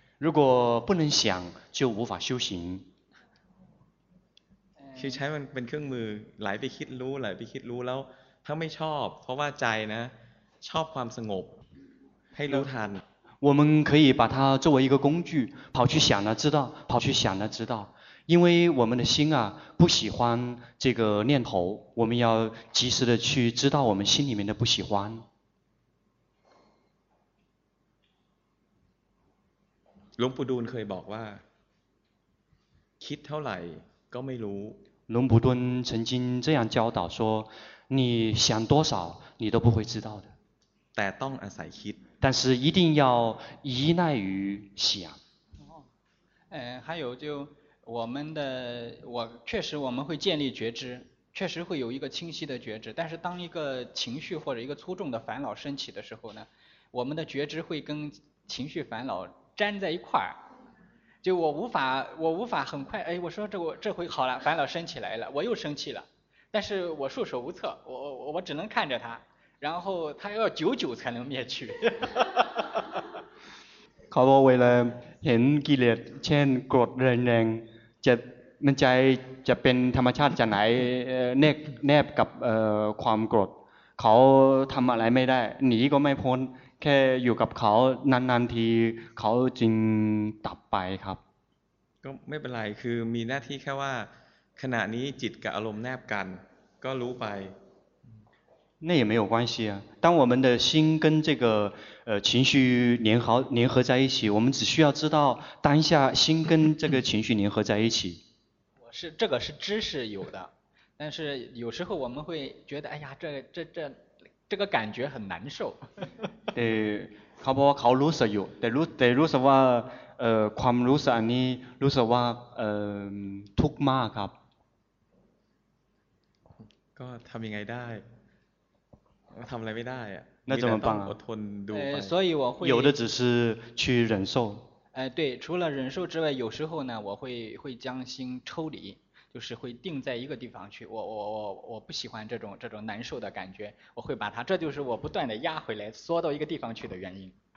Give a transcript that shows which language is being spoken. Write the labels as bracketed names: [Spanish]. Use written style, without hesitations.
[Chinese] 如果不能想就无法修行 [Thai] คือใช้มันเป็นเครื่องมือไหลไปคิดรู้แล้วถ้าไม่ชอบเพราะว่าใจนะชอบความสงบ ให้รู้ทัน [Chinese] 我们可以把它作为一个工具跑去想了知道跑去想了知道因为我们的心啊不喜欢这个念头我们要及时的去知道我们心里面的不喜欢 [Thai] หลวงปู่ดูลย์เคยบอกว่าคิดเท่าไหร่ก็ไม่รู้ [Chinese] หลวงปู่ดูลย์曾经这样教导说你想多少你都不会知道的 [Thai] แต่ต้องอาศัยคิด [Chinese] 但是一定要依赖于想还有就我们的我确实我们会建立觉知确实会有一个清晰的觉知但是当一个情绪或者一个粗重的烦恼升起的时候呢我们的觉知会跟情绪烦恼粘在一块儿就我无法很快哎我说这回好了烦恼升起来了我又生气了但是我束手无策我只能看着它然后它要久久才能灭去 [Thai] เขาบอกเวลาเห็นกิเลสเช่นโกรธแรงๆจะมันใจจะเป็นธรรมชาติจะไหนแนบกับความโกรธเขาทำอะไรไม่ได้หนีก็ไม่พ้นแค่อยู่กับเขานานๆทีเขาจึงดับไปครับ ก็ไม่เป็นไรคือมีหน้าที่แค่ว่าขณะนี้จิตกับอารมณ์แนบกันก็รู้ไป [Chinese] 那也没有关系啊当我们的心跟这个情绪联合在一起我们只需要知道当下心跟这个情绪联合在一起我是这个是知识有的但是有时候我们会觉得哎呀这个感觉很难受 [Thai] 对เขาบอกว่าเขารู้สึกอยู่แต่รู้สึกว่าความรู้สึกอันนี้รู้สึกว่าทุกข์มากครับ ก็ทำยังไงได้ทำอะไรไม่ได้อะ [Chinese] 那怎么办啊我吞毒所以我会有的只是去忍受对除了忍受之外有时候呢我会将心抽离就是会定在一个地方去我不喜欢这种难受的感觉我会把它这就是我不断的压回来缩到一个地方去的原因